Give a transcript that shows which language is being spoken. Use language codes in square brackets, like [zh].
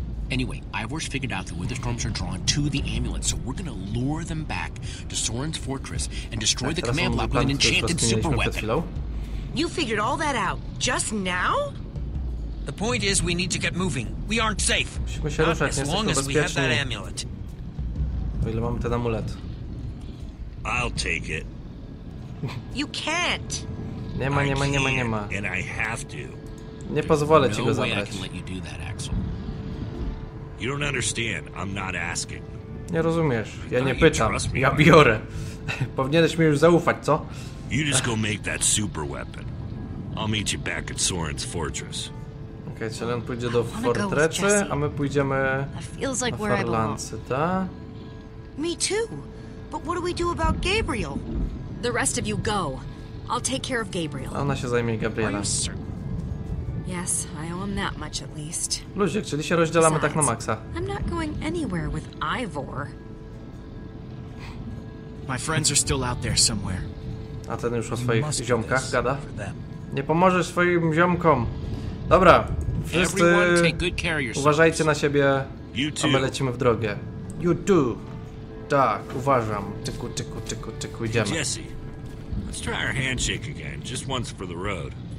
[en] Anyway, Ivor's figured out that Witherstorms are drawn to the amulet, so we're gonna lure them back to Soren's fortress and destroy the command block with an enchanted super weapon. You figured all that out just now? The point is, we need to get moving. We aren't safe. [pl] Musimy się ruszać, nie jesteśmy bezpieczni. [en] As long as we have that amulet. [pl] O ile mamy ten amulet. [en] I'll take it. You can't. [pl] Nie ma, nie ma, nie ma, nie ma. [en] And I have to. [pl] Nie pozwolę ci go zabrać. [en] You don't understand. I'm not asking. [pl] Nie rozumiesz. Ja nie pytam. Ja biorę. Powinieneś mi już zaufać, co? [en] You just go make that super weapon. I'll meet you back at Soren's fortress. [pl] Okay, czyli on pójdzie do fortreczy, a my pójdziemy na Farlancy, ta? [en] Me too. But what do we do about Gabriel? The rest of you go. I'll take care of Gabriel. [pl] Ona się zajmie Gabriela. [en] Yes, I owe him that much at least. [pl] Luzik, czyli się rozdzielamy tak na maksa. [en] I'm not going anywhere with Ivor. My friends are still out there somewhere. [pl] A ten już o swoich ziomkach gada. Nie pomożesz swoim ziomkom. Dobra, wszyscy uważajcie na siebie, a my lecimy w drogę. [en] You too. [pl] Tak, uważam. Tyku, tyku, tyku, tyku, idziemy. [en] Jesse, let's try our handshake again, just once for the road.